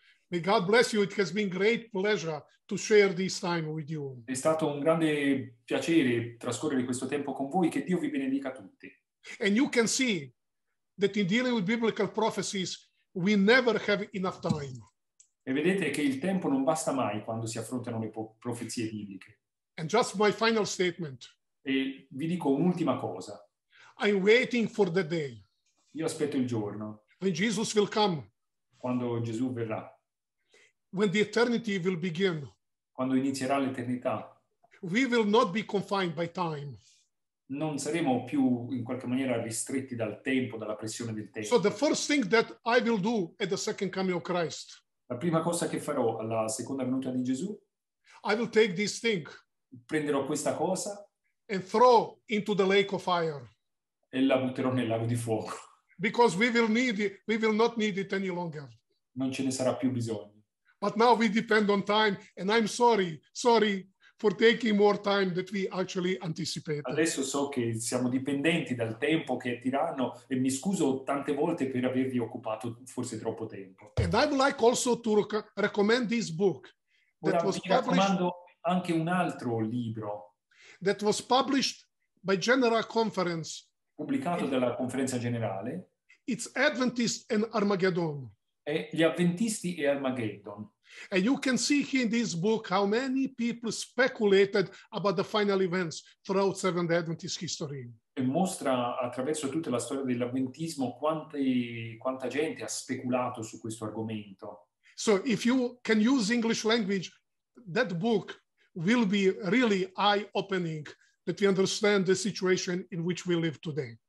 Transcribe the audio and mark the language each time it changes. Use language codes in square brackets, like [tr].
[en] May God bless you. It has been great pleasure to share this time with you. [it] È stato un grande piacere trascorrere questo tempo con voi. Che Dio vi benedica tutti. [en] And you can see that in dealing with biblical prophecies, we never have enough time. [it] E vedete che il tempo non basta mai quando si affrontano le profezie bibliche. [en] And just my final statement. [it] E vi dico un'ultima cosa. [en] I'm waiting for the day. [it] Io aspetto il giorno. [en] When Jesus will come. [it] Quando Gesù verrà. [en] When the eternity will begin. [it] Quando inizierà l'eternità. [en] We will not be confined by time. [it] Non saremo più in qualche maniera ristretti dal tempo, dalla pressione del tempo. [en] So the first thing that I will do at the second coming of Christ. [it] La prima cosa che farò alla seconda venuta di Gesù. [en] I will take this thing. [it] Prenderò questa cosa. [en] And throw into the lake of fire. [it] E la butterò nel lago di fuoco. [en] Because we will not need it any longer. [it] Non ce ne sarà più bisogno. [en] But now we depend on time, and I'm sorry for taking more time that we actually anticipated. [it] Adesso so che siamo dipendenti dal tempo che è tiranno, e mi scuso tante volte per avervi occupato forse troppo tempo. [en] And I would like also to recommend this book that was published. [it] Anche un altro libro [en] that was published by General Conference, [it] pubblicato dalla Conferenza Generale. [en] It's Adventist and Armageddon. [it] È gli Adventisti e Armageddon. [en] And you can see here in this book how many people speculated about the final events throughout Seventh Adventist history. [it] E mostra attraverso tutta la storia dell'Adventismo quanta gente ha speculato su questo argomento. [en] So if you can use English language, that book will be really eye-opening that we understand the situation in which we live today.